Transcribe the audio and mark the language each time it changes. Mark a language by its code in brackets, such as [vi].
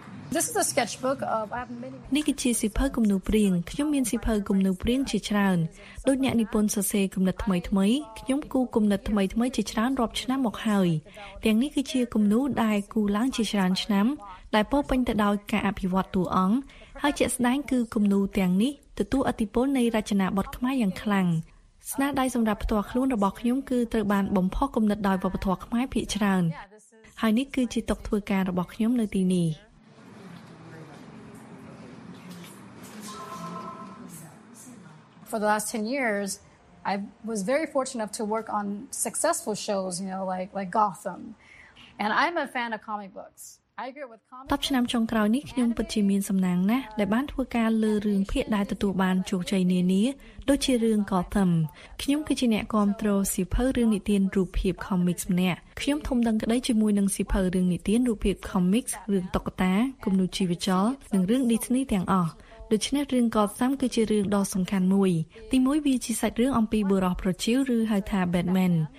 [en] This is a sketchbook of I have many [km] នេះគឺជាសៀវភៅគំនូរព្រាងខ្ញុំមានសៀវភៅគំនូរព្រាងជាច្រើនដូចអ្នកនិពន្ធសរសេរគំនិតថ្មីថ្មីខ្ញុំគូគំនិតថ្មីថ្មីជាច្រើនរាប់ឆ្នាំមកហើយទាំងនេះគឺជាគំនូរដែលគូឡើងជាច្រើនឆ្នាំដែលពោពេញទៅដោយការអភិវឌ្ឍតួអង្គហើយជាក់ស្ដែងគឺគំនូរទាំងនេះទទួលឥទ្ធិពលនៃរចនាបថខ្មែរយ៉ាងខ្លាំងស្នាដៃសម្រាប់ផ្ទាល់ខ្លួនរបស់ខ្ញុំគឺត្រូវបានបំផុសគំនិតដោយវប្បធម៌ខ្មែរភាគច្រើនហើយនេះគឺជាទឹកធ្វើការរបស់ខ្ញុំនៅទីនេះ [en] For the last 10 years I was very fortunate enough to work on successful shows you know like Gotham and I'm a fan of comic books I agree with comic [km] តបឆ្នាំចុងក្រោយនេះខ្ញុំពិតជាមានសំណាងណាស់ដែលបានធ្វើការលើរឿងភាគដែលទទួលបានជោគជ័យនានាដូចជារឿង Gotham ខ្ញុំគឺជាអ្នកគ្រប់គ្រងសៀវភៅរឿងនិទានរូបភាព comics ម្នាក់ខ្ញុំធំដឹងក្តីជាមួយនឹងសៀវភៅរឿងនិទានរូបភាព comics រឿងតុក្កតាគំនូរជីវចលនិងរឿង Disney ទាំងអស់ដូច្នេះរឿងកតសាំគឺជារឿងដ៏សំខាន់មួយទីមួយវាជាសាច់រឿងអំពីបុរសប្រជាឬហៅថា Batman